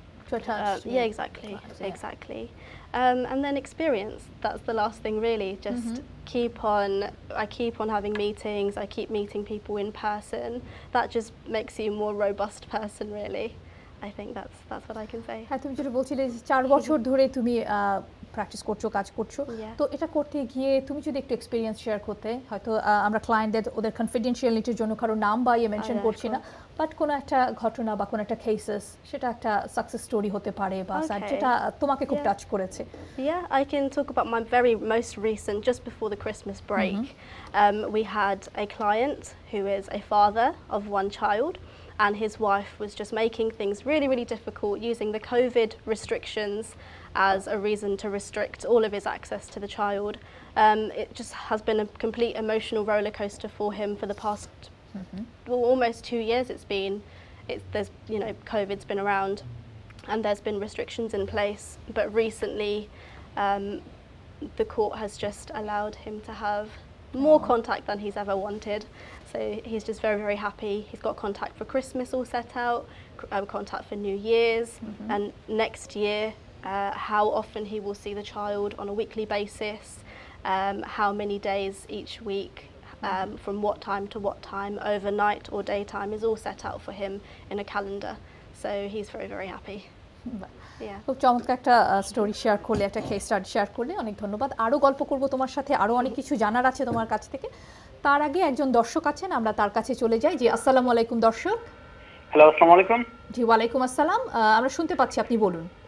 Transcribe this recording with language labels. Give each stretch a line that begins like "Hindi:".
English: attached. Exactly. And then experience, that's the last thing really, just I keep on having meetings, I keep meeting people in person, that just makes you a more robust person really, I think that's what I can say.
Bangla: হ্যাঁ, তুমি যেটা বলছিলে যে 4 বছর ধরে তুমি practice করছো, কাজ করছো, তো এটা করতে গিয়ে তুমি যদি একটু এক্সপিরিয়েন্স শেয়ার করতে, হয়তো আমরা ক্লায়েন্টদের ওদের কনফিডেন্সিয়ালিটির জন্য কারো নাম বা ইয়ে মেনশন করছি না, বাট কোনো একটা ঘটনা বা কোনো একটা কেসেস, সেটা একটা সাকসেস স্টোরি হতে পারে বা যেটা তোমাকে খুব টাচ করেছে।
English: Yeah, I can talk about my very most recent, just before the Christmas break, we had a client who is a father of one child, and his wife was just making things really, really difficult, using the COVID restrictions as a reason to restrict all of his access to the child. It just has been a complete emotional roller coaster for him for the past almost 2 years. There's, you know, COVID's been around and there's been restrictions in place, but recently the court has just allowed him to have more contact than he's ever wanted. So he's just very, very happy. He's got contact for Christmas all set out, contact for New Year's, and next year, how often he will see the child on a weekly basis, how many days each week, from what time to what time, overnight or daytime, is all set out for him in a calendar. So he's very, very happy.
Bangla: খুব চমৎকার একটা story share করলে, একটা case study share করলে, অনেক ধন্যবাদ। আরও গল্প করবো তোমার সাথে, আরও অনেক কিছু জানার আছে তোমার কাছ থেকে। তার আগে একজন দর্শক আছেন, আমরা তার কাছে চলে যাই। জি আসসালামু আলাইকুম দর্শক। হ্যালো আসসালামু আলাইকুম। জি ওয়ালাইকুম আসসালাম, আমরা শুনতে পাচ্ছি, আপনি বলুন।